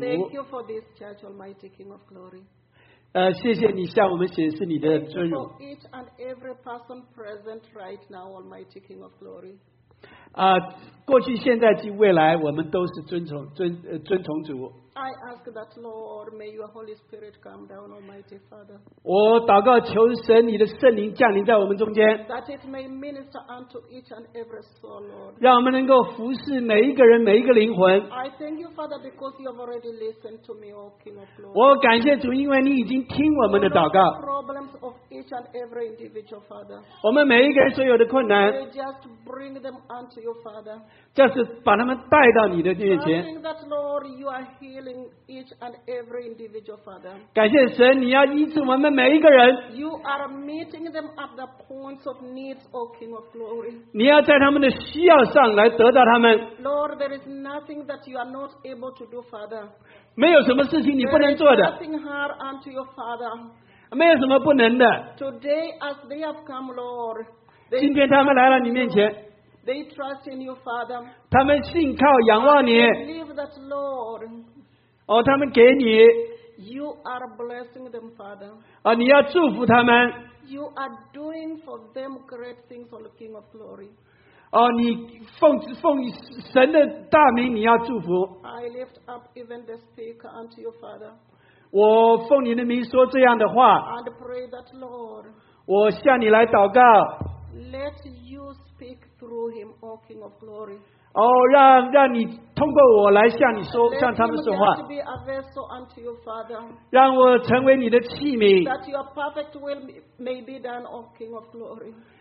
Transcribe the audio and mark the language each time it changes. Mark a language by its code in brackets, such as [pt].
[en] Thank you for this church, Almighty King of Glory. [zh] 谢谢你向我们显示你的尊荣。 [en] For each and every person present right now, Almighty King of Glory. [zh] 过去、现在及未来，我们都是遵从主。 [en] I ask that Lord, may Your Holy Spirit come down, Almighty Father. [zh] 我祷告求神，你的圣灵降临在我们中间。 [en] That it may minister unto each and every soul, Lord. [zh] 让我们能够服侍每一个人、每一个灵魂。 [en] I thank You, Father, because You have already listened to me, O King of Glory. [zh] 我感谢主，因为你已经听我们的祷告。 [en] The problems of each and every individual, Father. [zh] 我们每一个人所有的困难。 [en] May just bring them unto You, Father. [zh] 就是把他们带到你的面前。 [en] I thank that Lord, You are here. Healing each and every individual, Father. [zh] 感谢神，你要医治我们每一个人。 [en] You are meeting them at the points of needs, O King of Glory. [zh] 你要在他们的需要上来得到他们。 [en] Lord, there is nothing that you are not able to do, Father. [zh] 没有什么事情你不能做的。 [en] There is nothing hard unto your Father. [zh] 没有什么不能的。 [en] Today, as they have come, Lord. [zh] 今天他们来到你面前。 [en] They trust in you, Father. [zh] 他们信靠仰望你。 [en] They believe that, Lord. [zh] 他们给你。 [en] You are blessing them, Father. [zh] 你要祝福他们。 [en] You are doing for them great things, O King of Glory. [zh] 你奉神的大名，你要祝福。 [en] I lift up even the speaker unto you, Father. [zh] 我奉你的名说这样的话。 [en] And pray that, Lord. [zh] 我向你来祷告。 [en] Let you speak through him, O King of Glory. [zh] 让你通过我来向你说，向他们说话。 [en] Let him be a vessel unto you, Father. [zh] 让我成为你的器皿。 [en] That your perfect will may be done, O King of Glory.